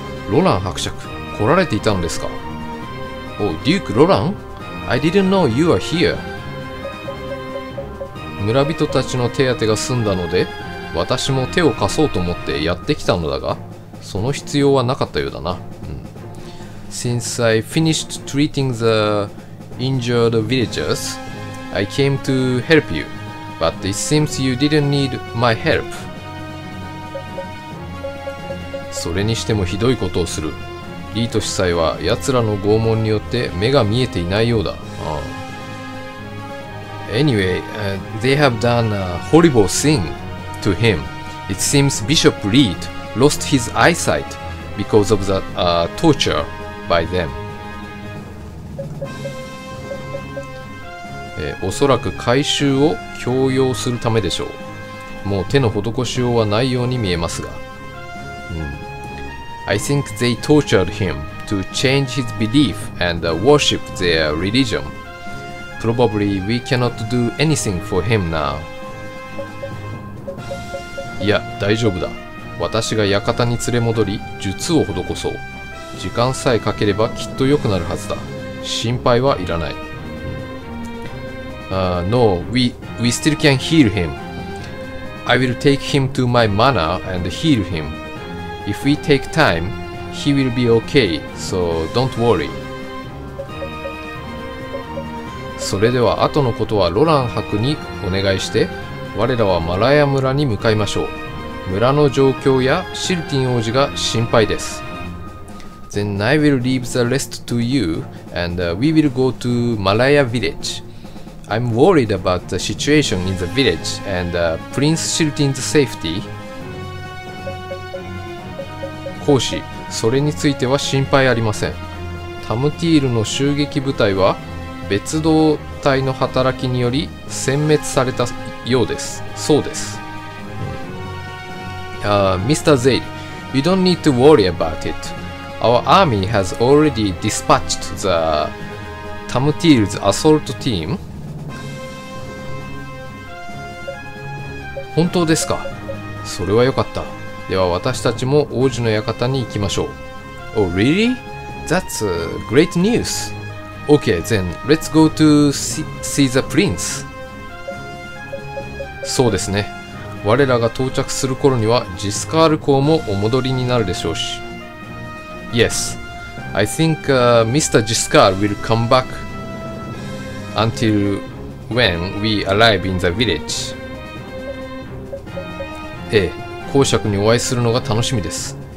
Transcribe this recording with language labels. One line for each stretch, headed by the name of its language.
Japanese: Roland 伯爵、来られていたのですか?
English: Oh, Duke Roland? I didn't know you are here.
Japanese: 村人たちの手当てが済んだので、私も手を貸そうと思ってやってきたのだが、その必要はなかったようだな。
English: Since I finished treating the injured villagers, I came to help you, but it seems you didn't need my help.
Japanese: それにしてもひどいことをする。リート司祭は奴らの拷問によって目が見えていないようだ。
English: Anyway, they have done a horrible thing to him. It seems Bishop Reed lost his eyesight because of the torture by them.
Japanese: おそらく回収を強要するためでしょう。もう手の施しようはないように見えますが。
English: I think they tortured him to change his belief and worship their religion. Probably we cannot do anything for him now.
Japanese: いや、大丈夫だ。私が館に連れ戻り、術を施そう。時間さえかければきっと良くなるはずだ。心配はいらない。
English: No, we still can heal him. I will take him to my manor and heal him. If we take time, he will be okay, so don't worry.
Japanese: それでは後のことはロラン伯にお願いして、我らはマラヤ村に向かいましょう。村の状況やシルティン王子が心配です。
English: Then I will leave the rest to you, and we will go to Malaya village. I'm worried about the situation in the village and Prince Shiltin's safety.
Japanese: 公使、それについては心配ありません。タムティールの襲撃部隊は、別動隊の働きにより殲滅されたようです。そうです。
English: Mr. Zale, you don't need to worry about it. Our army has already dispatched the Tamteel's assault team.
Japanese: 本当ですか。それはよかった。では私たちも王子の館に行きましょう。
English: Oh, really? That's great news. Okay, then let's go to see the prince.
Japanese: そうですね。我らが到着する頃にはジスカール公もお戻りになるでしょうし。
English: Yes, I think Mr. Jiskar will come back until when we arrive in the village.
Japanese: ええ、公爵にお会いするのが楽しみです。